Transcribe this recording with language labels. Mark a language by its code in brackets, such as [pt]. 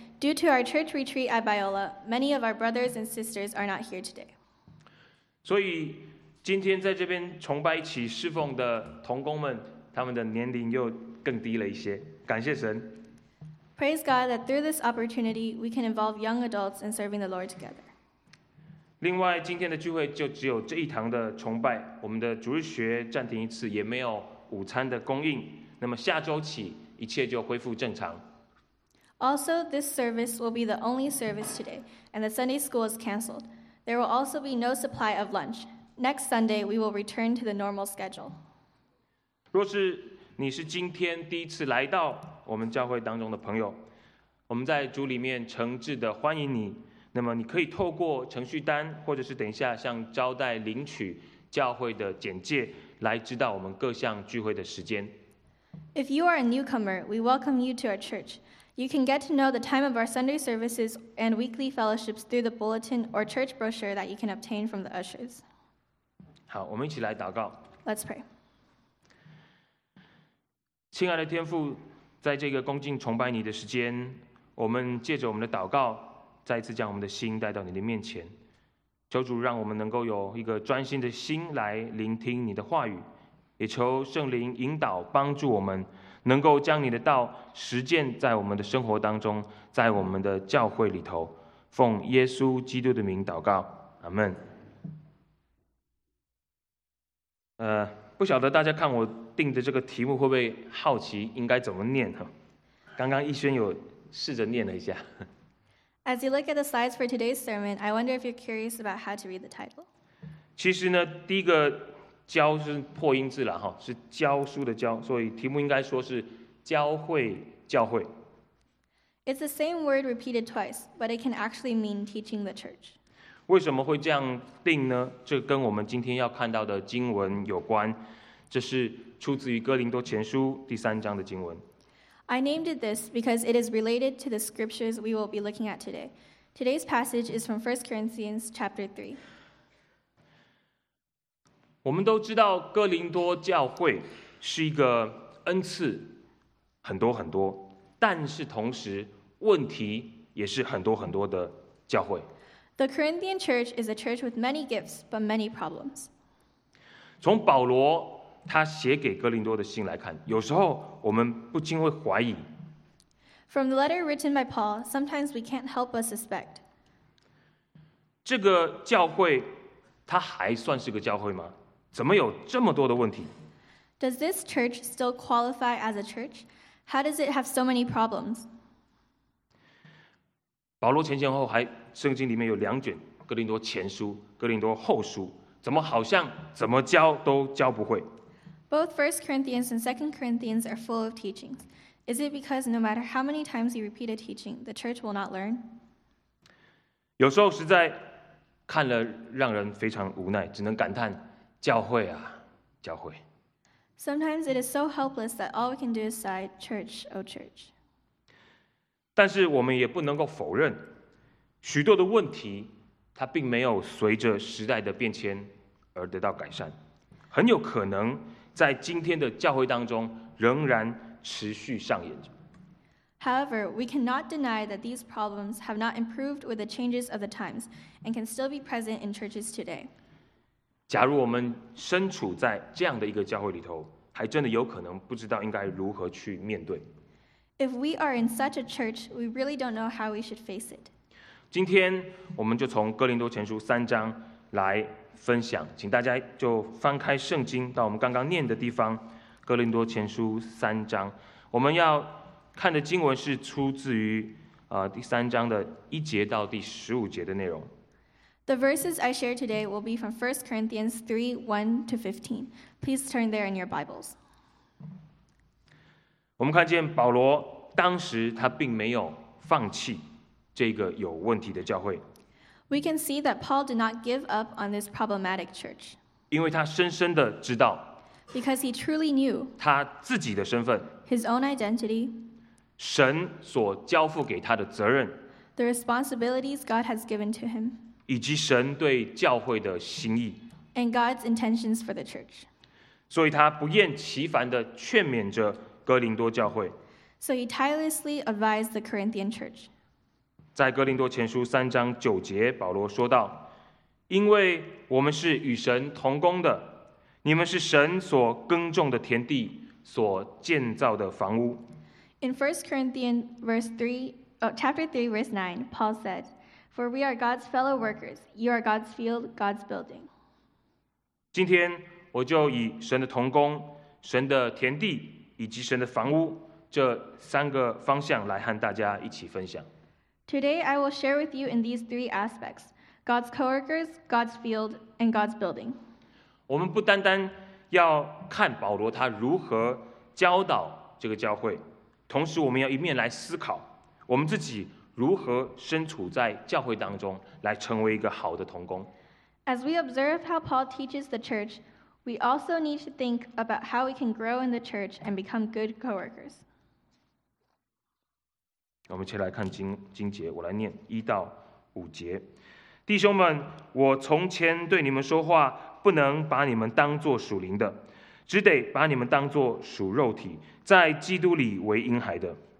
[en] Due to our church retreat at Biola, many of our brothers and sisters are not here today. [zh] 所以今天在这边崇拜起侍奉的同工们，他们的年龄又更低了一些，感谢神。 [en] Praise God that through this opportunity, we can involve young adults in serving the Lord together. [zh] 另外，今天的聚会就只有这一堂的崇拜，我们的主日学暂停一次，也没有午餐的供应。那么下周起，一切就恢复正常。 [en] Also, this service will be the only service today, and the Sunday school is canceled. There will also be no supply of lunch. Next Sunday, we will return to the normal schedule. [zh] 若是你是今天第一次来到我们教会当中的朋友，我们在主里面诚挚的欢迎你。那么你可以透过程序单，或者是等一下向招待领取教会的简介，来知道我们各项聚会的时间。 [en] If you are a newcomer, we welcome you to our church. You can get to know the time of our Sunday services and weekly fellowships through the bulletin or church brochure that you can obtain from the ushers. [zh] 好，我们一起来祷告。 [en] Let's pray. [zh] 亲爱的天父，在这个恭敬崇拜你的时间，我们借着我们的祷告，再次将我们的心带到你的面前。求主让我们能够有一个专心的心来聆听你的话语，也求圣灵引导帮助我们，能够将你的道实践在我们的生活当中，在我们的教会里头。奉耶稣基督的名祷告，阿们。不晓得大家看我定的这个题目会不会好奇应该怎么念，刚刚逸轩有试着念了一下。 [en] As you look at the slides for today's sermon, I wonder if you're curious about how to read the title. [zh] 其实呢，第一个教是破音字了哈，是教书的教，所以题目应该说是教会教会。 [en] It's the same word repeated twice, but it can actually mean teaching the church. [zh] 为什么会这样定呢？这跟我们今天要看到的经文有关，这是出自于哥林多前书第三章的经文。 [en] I named it this because it is related to the scriptures we will be looking at today. Today's passage is from 1 Corinthians chapter 3. [zh] 我们都知道哥林多教会是一个恩赐很多很多，但是同时问题也是很多很多的教会。 [en] The Corinthian church is a church with many gifts but many problems. [zh] 从保罗他写给哥林多的信来看，有时候我们不禁会怀疑。 [en] From the letter written by Paul, sometimes we can't help but suspect. [zh] 这个教会，它还算是个教会吗？怎么有这么多的问题？ [en] Does this church still qualify as a church? How does it have so many problems? [zh] 保罗前前后还，圣经里面有两卷，哥林多前书，哥林多后书，怎么好像怎么教都教不会？ [en] Both 1 Corinthians and 2 Corinthians are full of teachings. Is it because no matter how many times you repeat a teaching, the church will not learn? [zh] 有时候实在看了让人非常无奈，只能感叹教会啊，教会。 [en] Sometimes it is so helpless that all we can do is sigh, church, oh church. [zh] 但是我们也不能够否认，许多的问题它并没有随着时代的变迁而得到改善，很有可能在今天的教会当中仍然持续上演着。 [en] However, we cannot deny that these problems have not improved with the changes of the times and can still be present in churches today. [zh] 假如我们身处在这样的一个教会里头，还真的有可能不知道应该如何去面对。 [en] If we are in such a church, we really don't know how we should face it. [zh] 今天我们就从哥林多前书三章来分享，请大家就翻开圣经到我们刚刚念的地方，哥林多前书三章，我们要看的经文是出自于第三章的一节到第十五节的内容。 [en] The verses I share today will be from 1 Corinthians 3, 1 to 15. Please turn there in your Bibles. [zh] 我们看见保罗当时他并没有放弃这个有问题的教会。 [en] We can see that Paul did not give up on this problematic church. [zh] 因为他深深的知道， [en] because he truly knew [zh] 他自己的身份， [en] his own identity, [zh] 神所交付给他的责任， [en] the responsibilities God has given to him, [zh] 以及神对教会的心意， [en] and God's intentions for the church. [zh] 所以他不厌其烦的劝勉着哥林多教会， [en] so he tirelessly advised the Corinthian church. [zh] 在哥林多前书三章九节，保罗说道：因为我们是与神同工的，你们是神所耕种的田地，所建造的房屋。 [en] In 1 Corinthians chapter 3, verse 9, Paul said, For we are God's fellow workers, you are God's field, God's building. [zh] 今天我就以神的同工、神的田地以及神的房屋这三个方向来和大家一起分享。 [en] Today I will share with you in these three aspects: God's coworkers, God's field, and God's building. [zh] 我们不单单要看保罗他如何教导这个教会，同时我们要一面来思考我们自己如何身处在教会当中，来成为一个好的同工。 [en] As we observe how Paul teaches the church, we also need to think about how we can grow in the church and become good co-workers. [zh] 我们一起来看经节，我来念一到五节。弟兄们，我从前对你们说话，不能把你们当作属灵的，只得把你们当作属肉体，在基督里为婴孩的。